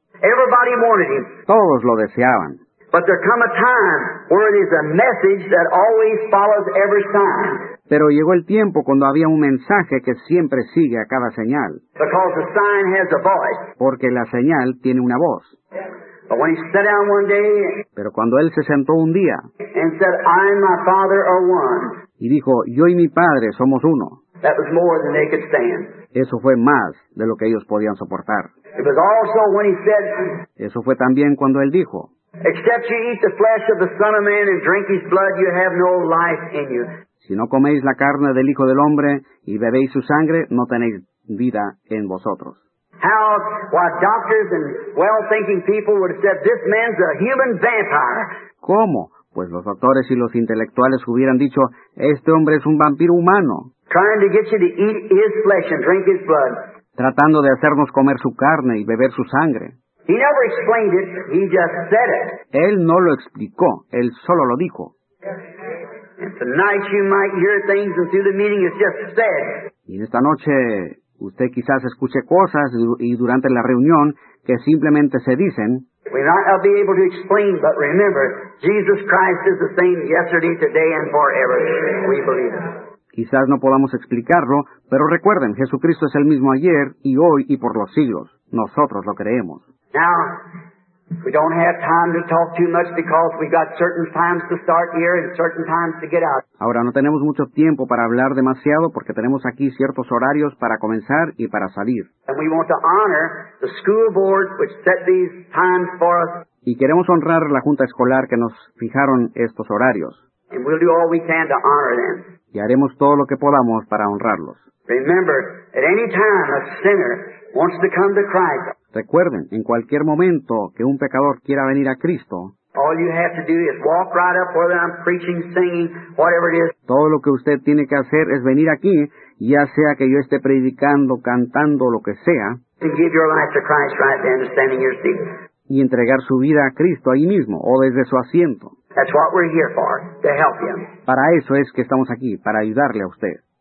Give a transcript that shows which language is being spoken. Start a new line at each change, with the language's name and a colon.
English: everybody wanted Him.
Spanish: Todos lo deseaban.
English: But there come a time where it is a message that always follows every sign.
Spanish: Pero llegó el tiempo cuando había un mensaje que siempre sigue a cada señal.
English: Because the sign has a voice.
Spanish: Porque la señal tiene una voz.
English: But when he sat down one day,
Spanish: pero cuando él se sentó un día,
English: and said, I and my Father are one,
Spanish: y dijo, yo y mi Padre somos uno,
English: that was more than they could stand.
Spanish: Eso fue más de lo que ellos podían soportar.
English: It was also when he said,
Spanish: eso fue también cuando él dijo,
English: except you eat the flesh of the Son of Man and drink His blood, you have no life in you.
Spanish: Si no coméis la carne del Hijo del Hombre y bebéis su sangre, no tenéis vida en vosotros.
English: How, while doctors and well-thinking people would have said, this man's a human vampire.
Spanish: ¿Cómo? Pues los doctores y los intelectuales hubieran dicho, este hombre es un vampiro humano.
English: Trying to get you to eat His flesh and drink His blood.
Spanish: Tratando de hacernos comer su carne y beber su sangre.
English: He never explained it, he just said it.
Spanish: Él no lo explicó, él solo lo dijo.
English: And tonight you might hear things and through the meeting it's just said.
Spanish: Y en esta noche usted quizás escuche cosas y durante la reunión que simplemente se dicen.
English: We might not be able to explain, but remember, Jesus Christ is the same yesterday, today, and forever. We believe it.
Spanish: Quizás no podamos explicarlo, pero recuerden, Jesucristo es el mismo ayer y hoy y por los siglos. Nosotros lo creemos.
English: Now, we don't have time to talk too much because we got certain times to start here and certain times to get out.
Spanish: Ahora no tenemos mucho tiempo para hablar demasiado porque tenemos aquí ciertos horarios para comenzar y para salir.
English: And we want to honor the school board which set these times for us.
Spanish: Y queremos honrar la junta escolar que nos fijaron estos horarios.
English: And we'll do all we can to honor them.
Spanish: Y haremos todo lo que podamos para honrarlos.
English: Remember, at any time a sinner wants to come to Christ.
Spanish: Recuerden, en cualquier momento que un pecador quiera venir a Cristo,
English: all you have to do is walk right up, whether I'm preaching, singing, whatever it is.
Spanish: Todo lo que usted tiene que hacer es venir aquí, ya sea que yo esté predicando, cantando, lo que sea,
English: and give your life to Christ right then, standing in your seat.
Spanish: Y entregar su vida a Cristo ahí mismo, o desde su asiento.
English: That's what we're here for, to help him.
Spanish: Para eso es que estamos aquí, para ayudarle a usted.